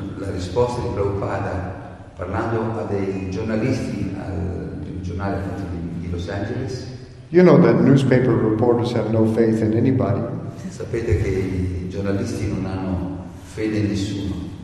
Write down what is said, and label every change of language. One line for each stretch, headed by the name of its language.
Italian: La risposta di Prabhupada parlando a dei giornalisti al giornale di Los Angeles.
English: You know that newspaper reporters have no faith in anybody.
Italian: Sapete che i giornalisti non hanno fede in nessuno.